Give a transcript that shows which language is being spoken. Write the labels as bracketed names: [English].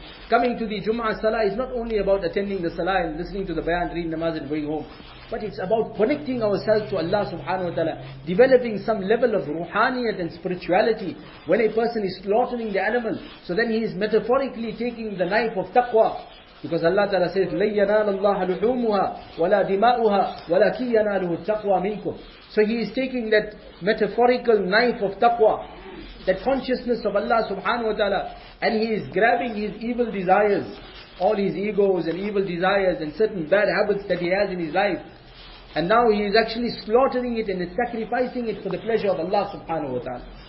[English] Coming to the Jum'ah Salah is not only about attending the Salah and listening to the bayan, reading namaz and going home. But it's about connecting ourselves to Allah subhanahu wa ta'ala, developing some level of ruhaniyat and spirituality. When a person is slaughtering the animal, so then he is metaphorically taking the knife of taqwa. Because Allah ta'ala says, [Arabic] لَنْ يَنَالَ اللَّهَ لُحُومُهَا وَلَا دِمَاؤُهَا وَلَكِي يَنَالُهُ التَّقْوَى مِنْكُمْ. [English] So he is taking that metaphorical knife of taqwa, that consciousness of Allah subhanahu wa ta'ala, and he is grabbing his evil desires, all his egos and evil desires and certain bad habits that he has in his life. And now he is actually slaughtering it and is sacrificing it for the pleasure of Allah subhanahu wa ta'ala.